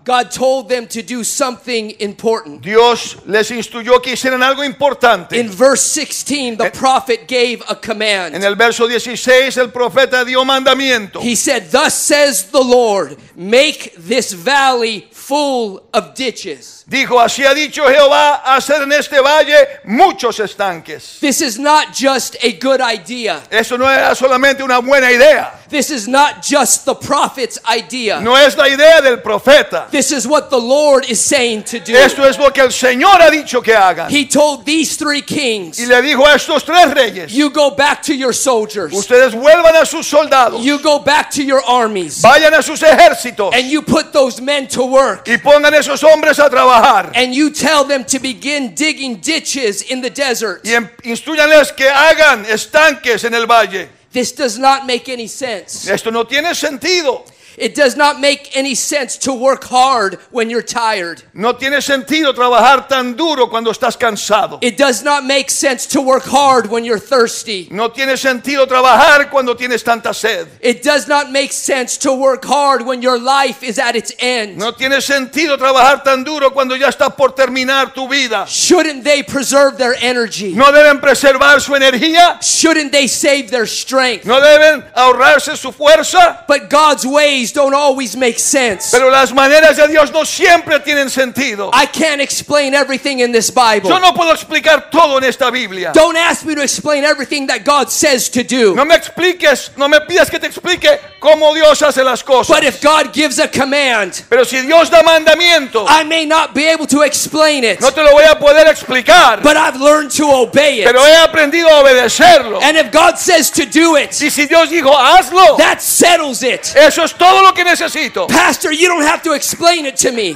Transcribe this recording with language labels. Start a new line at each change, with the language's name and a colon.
English: God told them to do something important.
Spanish: Dios les instruyó que hicieran algo importante.
English: In verse 16, the prophet gave a command.
Spanish: En el verso 16, el profeta dio mandamiento.
English: He said, thus says the Lord, make this valley full of ditches.
Spanish: Dijo, así ha dicho Jehová, hacer en este valle muchos estanques.
English: This is not just a good idea.
Spanish: Eso no era solamente una buena idea.
English: This is not just the prophet's idea.
Spanish: No es la idea del profeta.
English: This is what the Lord is saying to do.
Spanish: Esto es lo que el Señor ha dicho que hagan.
English: He told these three kings,
Spanish: y le dijo a estos tres reyes,
English: you go back to your soldiers.
Spanish: Ustedes vuelvan a sus soldados.
English: You go back to your armies.
Spanish: Vayan a sus ejércitos.
English: And you put those men to work.
Spanish: Y pongan esos hombres a trabajar.
English: And you tell them to begin digging ditches in the desert.
Spanish: Y instruyanles que hagan estanques en el valle.
English: This does not make any sense.
Spanish: Esto no tiene sentido.
English: It does not make any sense to work hard when you're tired.
Spanish: No tiene sentido trabajar tan duro cuando estás cansado.
English: It does not make sense to work hard when you're thirsty.
Spanish: No tiene sentido trabajar cuando tienes tanta sed.
English: It does not make sense to work hard when your life is at its end.
Spanish: No tiene sentido trabajar tan duro cuando ya está por terminar tu vida.
English: Shouldn't they preserve their energy?
Spanish: ¿No deben preservar su energía?
English: Shouldn't they save their strength?
Spanish: ¿No deben ahorrarse su fuerza?
English: But God's way don't always make sense.
Spanish: Pero las maneras de Dios no siempre tienen sentido.
English: I can't explain everything in this Bible.
Spanish: Yo no puedo explicar todo en esta Biblia.
English: Don't ask me to explain everything that God says to do.
Spanish: No me expliques, no me pidas que te explique cómo Dios hace las cosas.
English: But if God gives a command,
Spanish: pero si Dios da mandamiento,
English: I may not be able to explain it.
Spanish: No te lo voy a poder explicar.
English: But I've learned to obey it.
Spanish: Pero he aprendido a obedecerlo.
English: And if God says to do it,
Spanish: y si Dios dijo hazlo,
English: that settles it.
Spanish: Eso es todo. todo lo que necesito.
English: Pastor, you don't have to explain it to me.